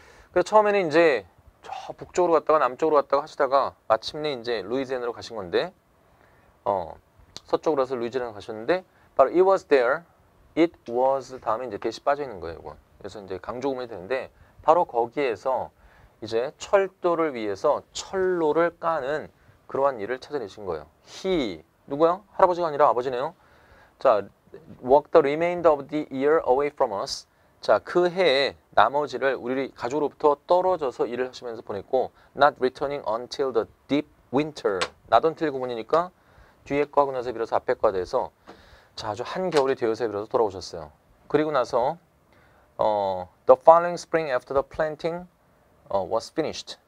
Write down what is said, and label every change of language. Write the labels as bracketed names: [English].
[Korean] 그래서 처음에는 이제 저 북쪽으로 갔다가 남쪽으로 갔다가 하시다가 마침내 이제 루이지애나로 가신 건데 서쪽으로 가서 루이지애나 가셨는데 바로 [English] it was there, it was [Korean] 다음에 이제 대시 빠져 있는 거예요, 이건. 그래서 이제 강조구문이 되는데 바로 거기에서 이제 철도를 위해서 철로를 까는 그러한 일을 찾아내신 거예요. He 누구야? 할아버지가 아니라 아버지네요. [English] 자, walk the remainder of the year away from us. [Korean] 자, 그 해에 나머지를 우리 가족으로부터 떨어져서 일을 하시면서 보냈고, [English] not returning until the deep winter. [Korean] not until 구문이니까 뒤에 거 하고 나서 비로소 앞에 거가 돼서 자, 아주 한겨울이 되어서 비로소 돌아오셨어요. [English] 그리고 나서 the following spring after the planting was finished.